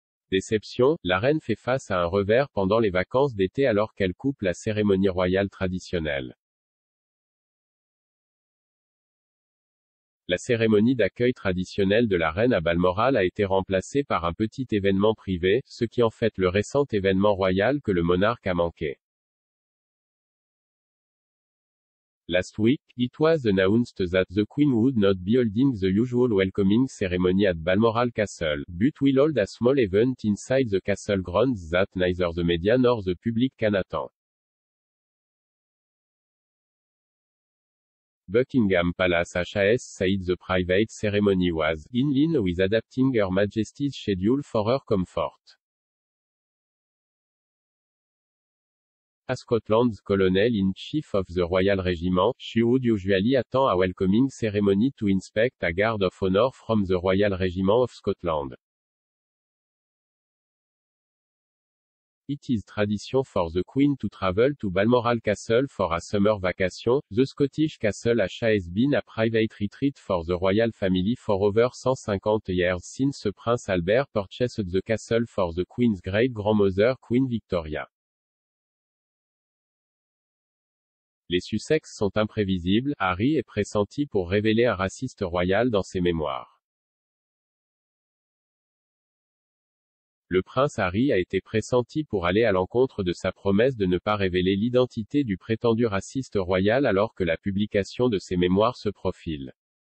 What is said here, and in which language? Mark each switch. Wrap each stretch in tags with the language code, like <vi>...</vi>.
<fr>Déception, la reine fait face à un revers pendant les vacances d'été alors qu'elle coupe la cérémonie royale traditionnelle. La cérémonie d'accueil traditionnelle de la reine à Balmoral a été remplacée par un petit événement privé, ce qui en fait le récent événement royal que le monarque a manqué.</fr> <en>Last week, it was announced that the Queen would not be holding the usual welcoming ceremony at Balmoral Castle, but will hold a small event inside the castle grounds that neither the media nor the public can attend. Buckingham Palace HAS said the private ceremony was in line with adapting Her Majesty's schedule for her comfort. As Scotland's Colonel-in-Chief of the Royal Regiment, she would usually attend a welcoming ceremony to inspect a guard of honour from the Royal Regiment of Scotland. It is tradition for the Queen to travel to Balmoral Castle for a summer vacation. The Scottish Castle has been a private retreat for the royal family for over 150 years since Prince Albert purchased the castle for the Queen's great-grandmother Queen Victoria.</en> <fr>Les Sussex sont imprévisibles, Harry est pressenti pour révéler un raciste royal dans ses mémoires. Le prince Harry a été pressenti pour aller à l'encontre de sa promesse de ne pas révéler l'identité du prétendu raciste royal alors que la publication de ses mémoires se profile.</fr>